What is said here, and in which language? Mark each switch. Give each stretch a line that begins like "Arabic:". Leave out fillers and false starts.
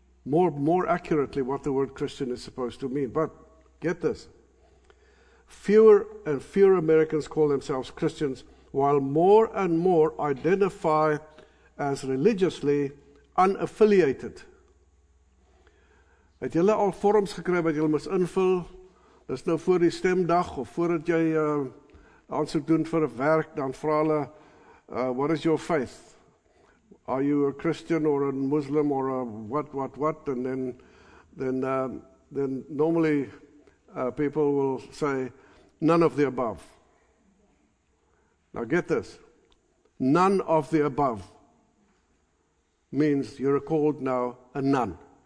English: more accurately what the word Christian is supposed to mean. But get this. Fewer and fewer Americans call themselves Christians, while more and more identify as religiously unaffiliated.
Afrikaans: Het julle al forms gekry wat julle moet invul? Dis nou voor die stemdag of voordat jy aansoek doen vir 'n werk, dan vra hulle,
English: what is your faith? Are you a Christian or a Muslim or a what? And then normally people will say, none of the above. Now get this. None of the above means you're called now a nun.